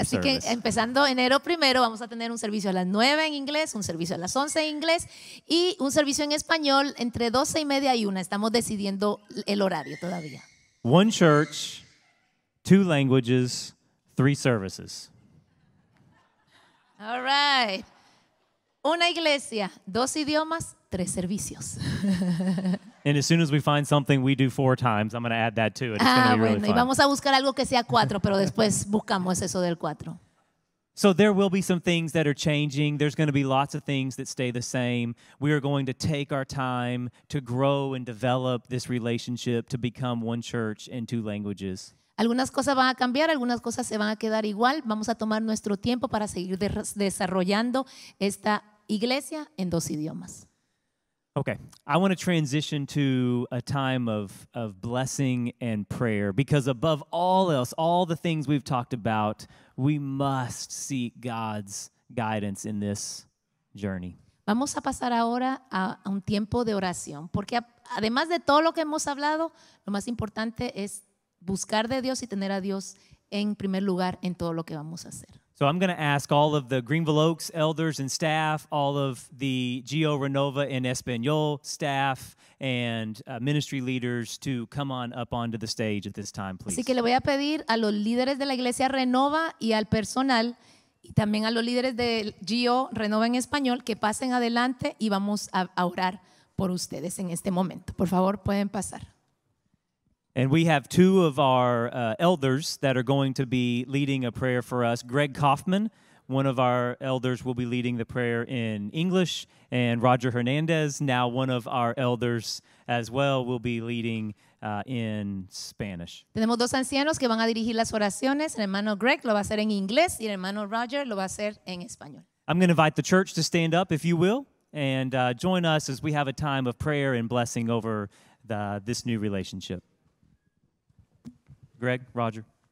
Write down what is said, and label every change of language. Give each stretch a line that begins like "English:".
Spanish: Así
English: service.
Spanish: Que empezando enero primero, vamos a tener un servicio a las 9 en inglés, un servicio a las 11 en inglés, y un servicio en español entre 12:30 y 1. Estamos decidiendo el horario todavía.
English: One church, two languages, three services. All right.
Spanish: Una iglesia, dos idiomas, tres servicios.
English: And as soon as we find something we do four times, I'm going to add that to it. It's going to be really fun.
Spanish: Y vamos a buscar algo que sea cuatro, pero después buscamos eso del cuatro.
English: So there will be some things that are changing. There's going to be lots of things that stay the same. We are going to take our time to grow and develop this relationship to become one church in two languages.
Spanish: Algunas cosas van a cambiar, algunas cosas se van a quedar igual. Vamos a tomar nuestro tiempo para seguir desarrollando esta iglesia en dos idiomas.
English: Okay, I want to transition to a time of blessing and prayer because above all else, all the things we've talked about, we must seek God's guidance in this journey.
Spanish: Vamos a pasar ahora a un tiempo de oración porque además de todo lo que hemos hablado, lo más importante es buscar de Dios y tener a Dios en primer lugar en todo lo que vamos a hacer.
English: So I'm going to ask all of the Greenville Oaks elders and staff, all of the Geo Renova en Español staff and ministry leaders to come on up onto the stage at this time, please.
Spanish: Así que le voy a pedir a los líderes de la iglesia Renova y al personal y también a los líderes de Geo Renova en Español que pasen adelante y vamos a orar por ustedes en este momento. Por favor, pueden pasar.
English: And we have two of our elders that are going to be leading a prayer for us. Greg Kaufman, one of our elders, will be leading the prayer in English. And Roger Hernandez, now one of our elders as well, will be leading in Spanish.
Spanish: Tenemos dos ancianos que van a dirigir las oraciones. El hermano Greg lo va a hacer en inglés y el hermano Roger lo va a hacer en español.
English: I'm going to invite the church to stand up, if you will, and join us as we have a time of prayer and blessing over this new relationship. Greg, Roger.